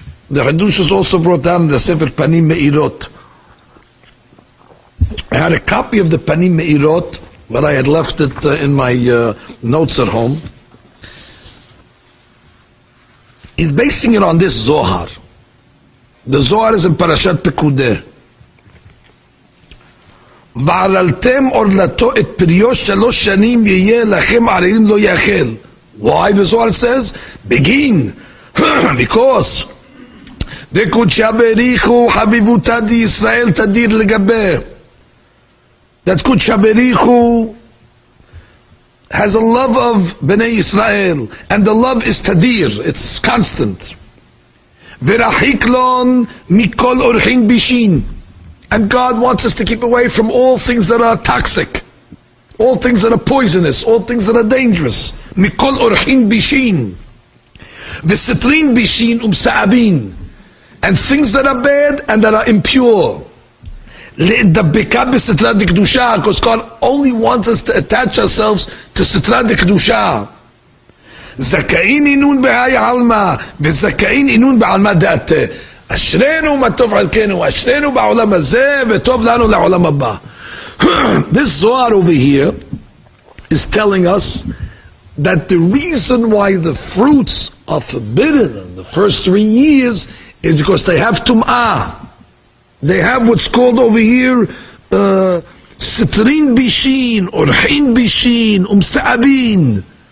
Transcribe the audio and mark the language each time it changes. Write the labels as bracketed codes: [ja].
[en] The chiddush is also brought down in the Sefer Panim Me'irot. I had a copy of the Panim Me'irot, but I had left it in my notes at home. He's basing it on this Zohar. The Zohar is in Parashat Pekudeh. [he] ועללתם אורלתו את פריו שלוש שנים יהיה לכם עריים לא יאכל. [en] Why the Zohar says? Begin. Because. [arc] וקודשה בריחו חביבותה די ישראל תדיר לגבי. [en] That קודשה בריחו has a love of בני ישראל. And the love is תדיר. It's constant. [arc] ורחיק לון מכל אורחין בישין. [en] And God wants us to keep away from all things that are toxic, all things that are poisonous, all things that are dangerous. [arc] Mikol orchin bishin, v'sitrin bishin umsa'abin, [en] and things that are bad and that are impure. [arc] Le'dabika b'sitra d'kdusha, [en] because God only wants us to attach ourselves to sitra d'kdusha. [arc] Zaka'in inun b'haya alma, v'zaka'in inun b'alma d'ate. [he] אשרנו מה טוב חלקנו, אשרנו בעולם הזה, וטוב לנו לעולם הבא. [en] This Zohar over here is telling us that the reason why the fruits are forbidden in the first 3 years is because they have tum'ah. They have what's called over here [arc] sitrin bishin, orhin bishin, umsa'abin.